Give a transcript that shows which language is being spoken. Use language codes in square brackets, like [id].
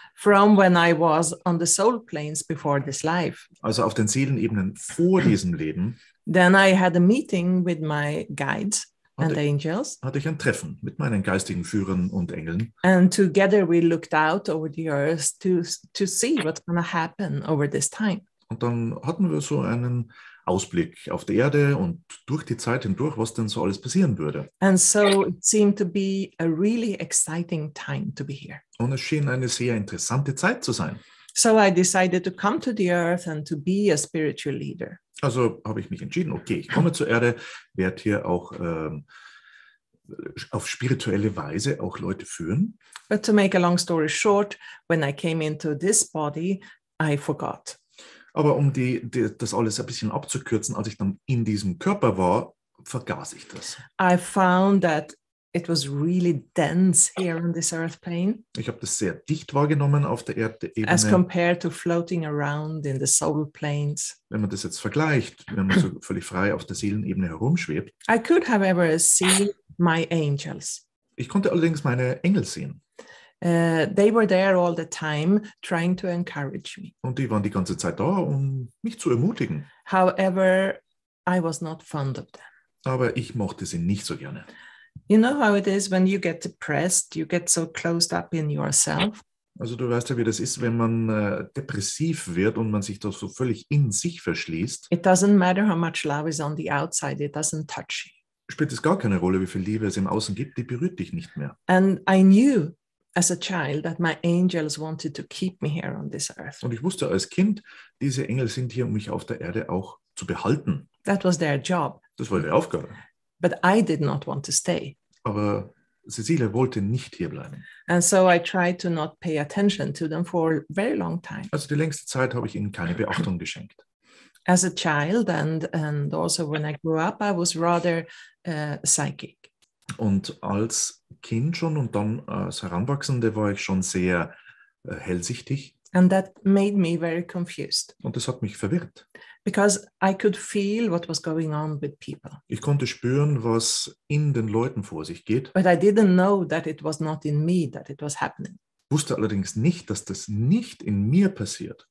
[en] From when I was on the soul planes before this life. [de] Also auf den Seelenebenen vor diesem Leben. [en] Then I had a meeting with my guides and angels. [de] Hatte ich ein Treffen mit meinen geistigen Führern und Engeln. [en] And together we looked out over the earth to see what's going to happen over this time. [de] Und dann hatten wir so einen Ausblick auf die Erde und durch die Zeit hindurch, was denn so alles passieren würde. [en] And so it seemed to be a really exciting time to be here. [de] Und es schien eine sehr interessante Zeit zu sein. [en] So I decided to come to the earth and to be a spiritual leader. [de] Also habe ich mich entschieden, okay, ich komme zur Erde, werde hier auch auf spirituelle Weise auch Leute führen. [en] But to make a long story short, when I came into this body, I forgot. [de] Aber um das alles ein bisschen abzukürzen, als ich dann in diesem Körper war, vergaß ich das. [en] I found that it was really dense here on this earth plane. [de] Ich habe das sehr dicht wahrgenommen auf der Erdebene. [en] As compared to floating around in the soul planes. [de] Wenn man das jetzt vergleicht, wenn man so völlig frei auf der Seelenebene herumschwebt. [en] I could have ever seen my angels. [de] Ich konnte allerdings meine Engel sehen. [en] They were there all the time trying to encourage me. [de] Und die waren die ganze Zeit da, um mich zu ermutigen. [en] However, I was not fond of them. [de] Aber ich mochte sie nicht so gerne. [en] You know how it is when you get depressed, you get so closed up in yourself. [de] Also du weißt ja, wie das ist, wenn man depressiv wird und man sich da so völlig in sich verschließt. [en] It doesn't matter how much love is on the outside, it doesn't touch you. [de] Spielt es gar keine Rolle, wie viel Liebe es im Außen gibt, die berührt dich nicht mehr. [en] And I knew as a child that my angels wanted to keep me here on this earth. [de] Und ich wusste als Kind, diese Engel sind hier, um mich auf der Erde auch zu behalten. [en] That was their job. [de] Das war ihre Aufgabe. [en] But I did not want to stay. [de] Aber Cecilia wollte nicht hierbleiben. [en] And so I tried to not pay attention to them for a very long time. [de] Also die längste Zeit habe ich ihnen keine Beachtung geschenkt. [en] As a child and also when I grew up, I was rather psychic. [de] Und als Kind schon und dann als Heranwachsende war ich schon sehr hellsichtig. [en] And that made me very confused. [de] Und das hat mich verwirrt. [en] Because I could feel what was going on with people. [de] Ich konnte spüren, was in den Leuten vor sich geht. [en] But I didn't know that it was not in me that it was happening. [de] Wusste allerdings nicht, dass das nicht in mir passiert.